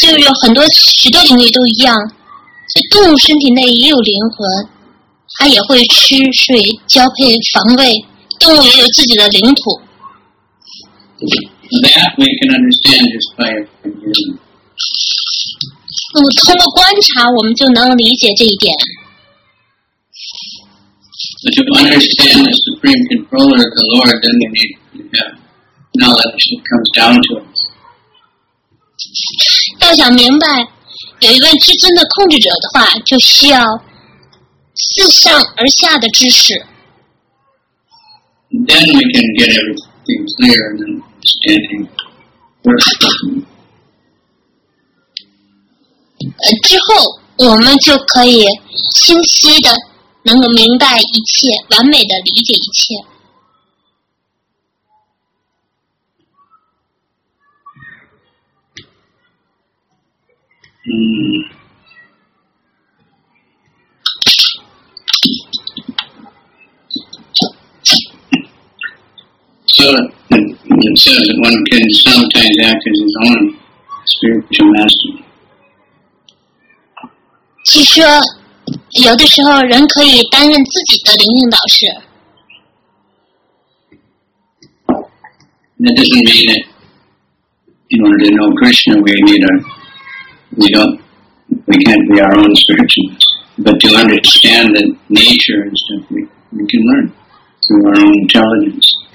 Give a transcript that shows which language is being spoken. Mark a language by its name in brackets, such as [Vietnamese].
[Chinese] 人类和动物在许多领域都一样。所以动物身体内也有灵魂，它也会吃水、交配、防卫。动物也有自己的领土。 [English] That we can understand just by observing. [Chinese] 通过观察，我们就能理解这一点。 [English] But to understand the supreme controller, the Lord, then we need to have knowledge that comes down to us. [Chinese] 要想明白。有一位至尊的控制者的话, 就需要自上而下的知识。 [English] Then we can get everything clear and understanding. [Chinese] 之后我们就可以清晰的能够明白一切, 完美的理解一切。 [English] So it says that one can sometimes act as his own spiritual master. [Chinese] 据说，有的时候人可以担任自己的灵性导师。 [English] That doesn't mean that in order to know Krishna, we need a. We don't we can't be our own spiritual master. But to understand the nature and stuff, we can learn through our own intelligence.